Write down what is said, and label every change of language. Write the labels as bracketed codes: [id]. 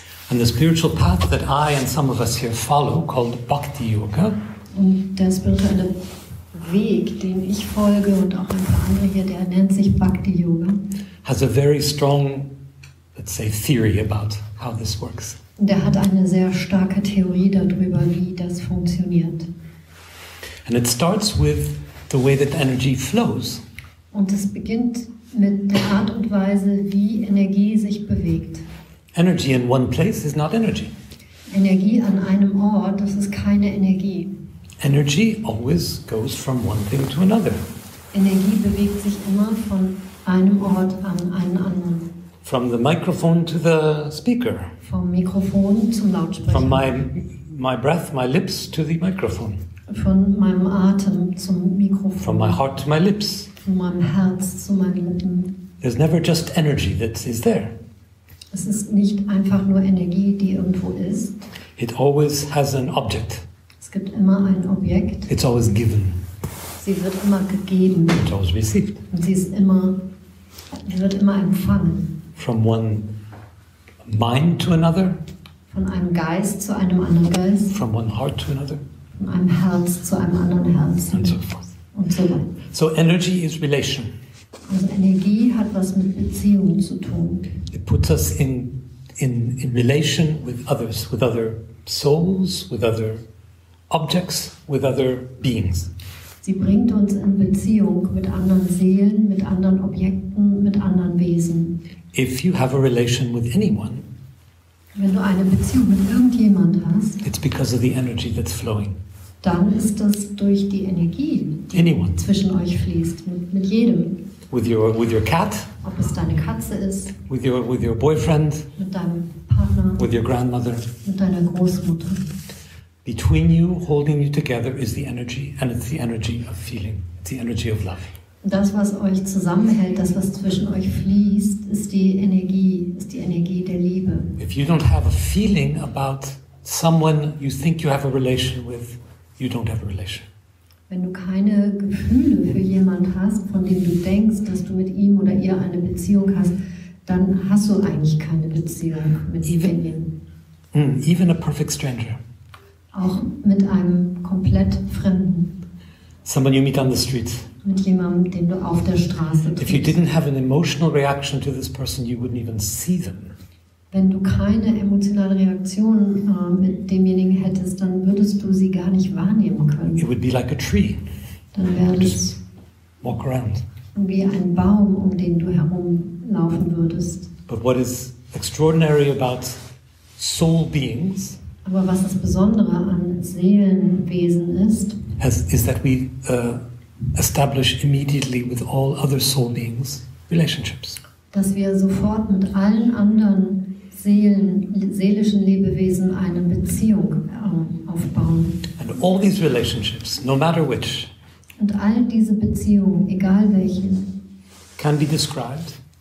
[en] And the spiritual path that I and some of us here follow, called Bhakti Yoga. [de] Und der spirituelle Weg, den ich folge und auch ein paar andere hier, der nennt sich Bhakti Yoga. [en] Has a very strong, let's say, theory about how this works. [de] Der hat eine sehr starke Theorie darüber, wie das funktioniert. [en] And it starts with the way that energy flows. [de] Und es beginnt mit der Art und Weise, wie Energie sich bewegt. [en] Energy in one place is not energy. [de] Energie an einem Ort, das ist keine Energie. [en] Energy always goes from one thing to another. [de] Energie bewegt sich immer von einem Ort an einen anderen. [en] From the microphone to the speaker. [de] Vom Mikrofon zum Lautsprecher. [en] From my breath, my lips to the microphone. [de] Von meinem Atem zum Mikrofon. [en] From my heart to my lips. [de] Von meinem Herz zu meinen Lippen. [en] There's never just energy that is there. [de] Es ist nicht einfach nur Energie, die irgendwo ist. [en] It always has an object. [de] Es gibt immer ein Objekt. [en] It's always given. [de] Sie wird immer gegeben. [en] It's always received. [de] Und sie wird immer empfangen. [en] From one mind to another. [de] Von einem Geist zu einem anderen Geist. [en] From one heart to another. [de] Von einem Herz zu einem anderen Herz. [en] And so forth. [de] Und so weiter. [en] So energy is relation. [de] Also Energie hat was mit Beziehung zu tun. [en] It puts us in relation with others, with other souls, with other objects, with other beings. [de] Sie bringt uns in Beziehung mit anderen Seelen, mit anderen Objekten, mit anderen Wesen. [en] If you have a relation with anyone, [de] wenn du eine Beziehung mit irgendjemand hast, [en] it's because of the energy that's flowing. [de] Dann ist das durch die Energie, die [en] anyone. [de] Zwischen euch fließt, mit jedem. [en] With your cat, [de] ob es deine Katze ist, [en] with your boyfriend, [de] mit deinem Partner, [en] with your grandmother, [de] mit deiner Großmutter. [en] Between you, holding you together, is the energy, and it's the energy of feeling, it's the energy of love. [de] Das, was euch zusammenhält, das, was zwischen euch fließt, ist die Energie der Liebe. [en] If you don't have a feeling about someone you think you have a relation with, you don't have a relation. [de] Wenn du keine Gefühle für jemand hast, von dem du denkst, dass du mit ihm oder ihr eine Beziehung hast, dann hast du eigentlich keine Beziehung mit ihm. [en] Even a perfect stranger. [de] Auch mit einem komplett Fremden. [en] Someone you meet on the street. [de] Mit jemandem, den du auf der Straße triffst. [en] If you didn't have an emotional reaction to this person, you wouldn't even see them. [de] Wenn du keine emotionale Reaktion mit demjenigen hättest, dann würdest du sie gar nicht wahrnehmen können. [en] It would be like a tree. [de] Dann wäre es [en] walk around. [de] Wie ein Baum, um den du herumlaufen würdest. [en] But what is extraordinary about soul beings? [de] Aber was das Besondere an Seelenwesen ist, [en] is that we establish immediately with all other soul beings relationships. [de] Dass wir sofort mit allen anderen seelischen Lebewesen eine Beziehung aufbauen. [en] And all these relationships, no matter which, [de] und all diese Beziehungen, egal welche, [en] can be described,